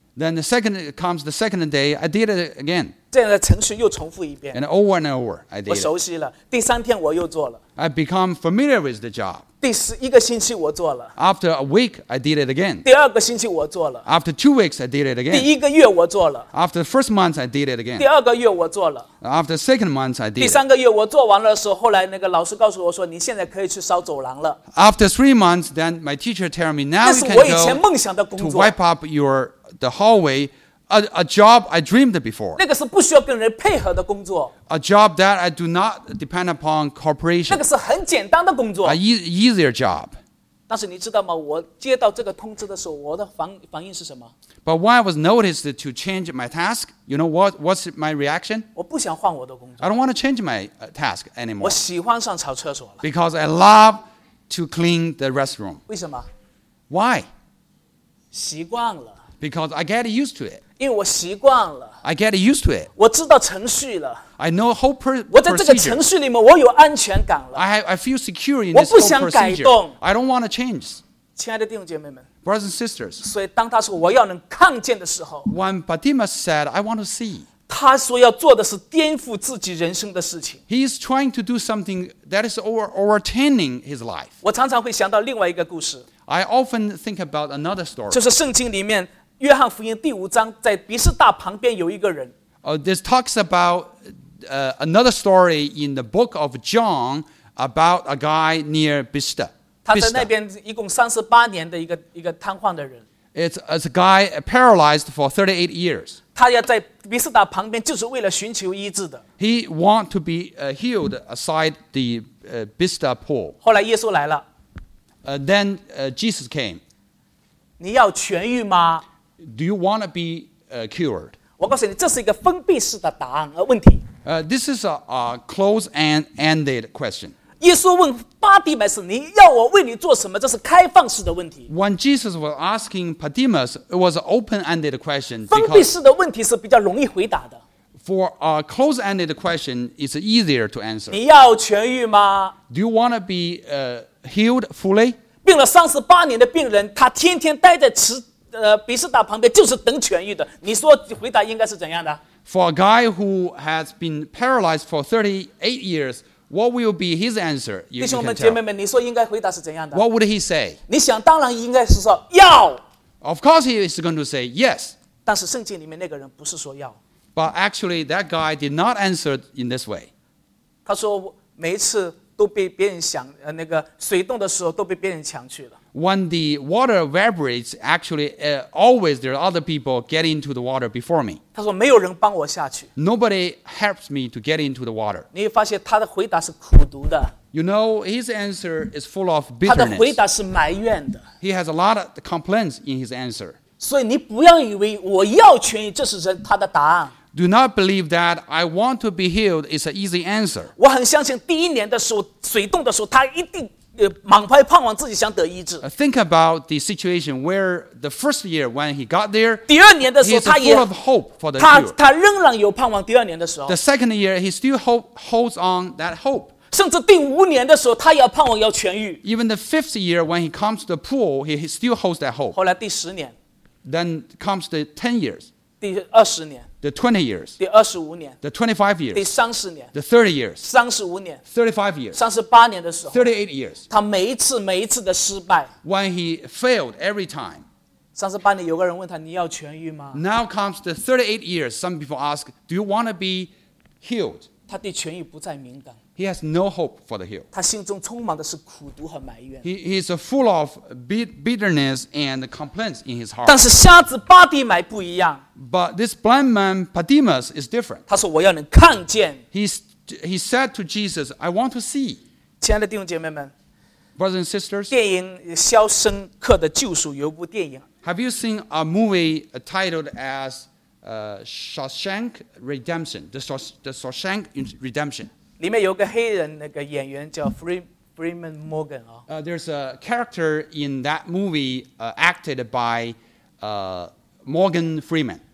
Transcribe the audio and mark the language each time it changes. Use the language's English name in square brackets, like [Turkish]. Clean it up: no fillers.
[English] Then the second comes the second day, I did it again. [Chinese] 这样的程序又重复一遍。 [English] And over and over, I did. [Chinese] 我熟悉了。第三天我又做了。 [English] I become familiar with the job. [Chinese] 第十一个星期我做了。 [English] After a week, I did it again. [Chinese] 第二个星期我做了。 [English] After 2 weeks, I did it again. [Chinese] 第一个月我做了。 [English] After the first month, I did it again. [Chinese] 第二个月我做了。 [English] After the second month, I did. [Chinese] 第三个月我做完了的时候，后来那个老师告诉我说：“你现在可以去扫走廊了。” [English] After 3 months, then my teacher tell me now you can go. [Chinese] 那是我以前梦想的工作。 [English] To wipe up your the hallway, a job I dreamed before. [Chinese] 那个是不需要跟人配合的工作。 [English] A job that I do not depend upon cooperation. [Chinese] 那个是很简单的工作。 [English] A easier job. [Chinese] 但是你知道吗？我接到这个通知的时候，我的反应是什么 [English] ？But when I was noticed to change my task, you know what's my reaction? [Chinese] 我不想换我的工作。 [English] I don't want to change my task anymore. [Chinese] 我喜欢上扫厕所了。 [English] Because I love to clean the restroom. [Chinese] 为什么 [English] ？Why? [Chinese] 习惯了。 [English] Because I get used to it. [Chinese] 因为我习惯了。 [English] I get used to it. [Chinese] 我知道程序了。 [English] I know whole procedure. [Chinese] 我在这个程序里面，我有安全感了。 [English] I feel secure in this whole procedure. [Chinese] 我不想改动。 [English] I don't want to change. [Chinese] 亲爱的弟兄姐妹们。 [English] Brothers and sisters. [Chinese] 所以当他说我要能看见的时候。 [English] When Bartimaeus said, I want to see. [Chinese] 他说要做的是颠覆自己人生的事情。 [English] He is trying to do something that is overturning his life. [Chinese] 我常常会想到另外一个故事。 [English] I often think about another story. [Chinese] 就是圣经里面。约翰福音第五章，在比士大旁边有一个人。 [English] This talks about another story in the book of John about a guy near Bethesda. [Chinese] 他在那边一共38年的一个瘫痪的人。 [English] It's a guy paralyzed for 38 years. [Chinese] 他要在比士大旁边，就是为了寻求医治的。 [English] He want to be healed aside the Bethesda pool. [Chinese] 后来耶稣来了。 [English] Then Jesus came. [Chinese] 你要痊愈吗？ [English] Do you want to be cured? [Chinese] 我告诉你，这是一个封闭式的答案问题。 [English] This is a closed and ended question. [Chinese] 耶稣问巴底买斯，你要我为你做什么？这是开放式的问题。 [English] When Jesus was asking Bartimaeus, it was an open-ended question. [Chinese] 封闭式的问题是比较容易回答的。 [English] For a closed-ended question, it's easier to answer. [Chinese] 你要痊愈吗 [English] ？Do you want to be healed fully? [Chinese] 病了38年的病人，他天天待在比斯达旁边就是等痊愈的，你说回答应该是怎样的？ [English] For a guy who has been paralyzed for 38 years, what will be his answer? [Chinese] 弟兄们姐妹们，你说应该回答是怎样的？ [English] What would he say? [Chinese] 你想当然应该是说要。 [English] Of course he is going to say yes. [Chinese] 但是圣经里面那个人不是说要。 [English] But actually that guy did not answer in this way. [Chinese] 他说每一次都被别人想那个水动的时候都被别人抢去了。 [English] When the water vibrates, actually, always there are other people get into the water before me. [Chinese] 他说没有人帮我下去。 [English] Nobody helps me to get into the water. [Chinese] 你会发现他的回答是苦毒的。 [English] You know, his answer is full of bitterness. [Chinese] 他的回答是埋怨的。 [English] He has a lot of complaints in his answer. [Chinese] 所以你不要以为我要痊愈，这是他的答案。 [English] Do not believe that I want to be healed is an easy answer. [Chinese] 我很相信第一年的时候，水动的时候，他一定满怀盼望自己想得医治。 [English] Think about the situation where the first year when he got there. [Chinese] 第二年的时候，他也 [English] full of hope for the [Chinese] 他仍然有盼望。第二年的时候 [English] ，the second year he still holds on that hope. [Chinese] 甚至第五年的时候，他也盼望要痊愈。 [English] Even the fifth year when he comes to the pool, he still holds that hope. [Chinese] 后来第十年 [English] ，then comes the 10 years. [Chinese] 第二十年 [English] ，the 20 years. [Chinese] 第二十五年 [English] ，the 25 years. [Chinese] 第三十年 [English] ，the 30 years. [Chinese] 三十五年 [English] ，35 years. [Chinese] 三十八年的时候 [English] ，38 years. [Chinese] 他每一次每一次的失败 [English] ，when he failed every time. [Chinese] 三十八年，有个人问他：“你要痊愈吗 [English] ？”Now comes the 38 years. Some people ask, "Do you want to be healed?" [Chinese] 他对痊愈不再敏感。 [English] He has no hope for the heal. [Chinese] 他心中充满的是苦毒和埋怨。 [English] He is full of bitterness and complaints in his heart. [Chinese] 但是瞎子巴迪买不一样。 [English] But this blind man, Bartimaeus, is different. [Chinese] 他说我要能看见。 [English] He said to Jesus, I want to see. [Chinese] 亲爱的弟兄姐妹们。 [English] Brothers and sisters. [Chinese] 电影《肖申克的救赎》有部电影。 [English] Have you seen a movie titled as Shawshank Redemption? The Shawshank Redemption. [Chinese] 里面有个黑人那个演员叫 Freeman Morgan、哦 [English] There's a character in that movie acted by Morgan Freeman.